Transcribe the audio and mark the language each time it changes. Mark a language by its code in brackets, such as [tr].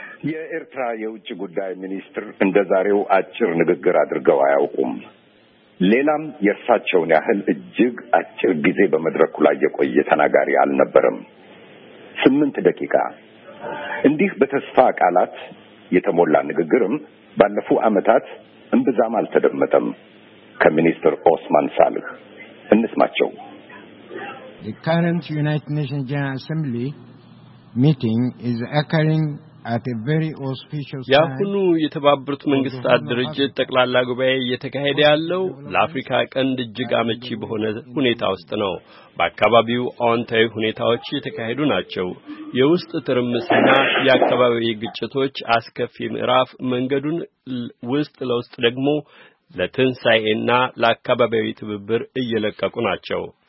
[am] የኤርትራ የውጭ ጉዳይ ሚኒስትር እንደ ዛሬው አጭር ንግግር አድርገው አያውቁም። ሌላም የእርሳቸውን ያህል እጅግ አጭር ጊዜ በመድረኩ ላይ የቆየ ተናጋሪ አልነበረም። 8 ደቂቃ እንዲህ በተስፋ ቃላት የተሞላ ንግግርም ባለፉ ዓመታት እንብዛም አልተደመጠም ከሚኒስትር ኦስማን ሳልህ። እንስማቸው። [en] The current United Nations General Assembly meeting is occurring at a very auspicious time. [am] ያሁኑ የተባበሩት መንግስታት ድርጅት ጠቅላላ ጉባኤ እየተካሄደ ያለው ለአፍሪካ ቀንድ እጅግ አመቺ በሆነ ሁኔታ ውስጥ ነው። በአካባቢው አንታይ ሁኔታዎች እየተካሄዱ ናቸው። የውስጥ ትርምስና የአካባቢው ግጭቶች አስከፊ ምዕራፍ መንገዱን ውስጥ ለውስጥ ደግሞ ለተንሳይና ለአካባቢው ትብብር እየለቀቁ ናቸው።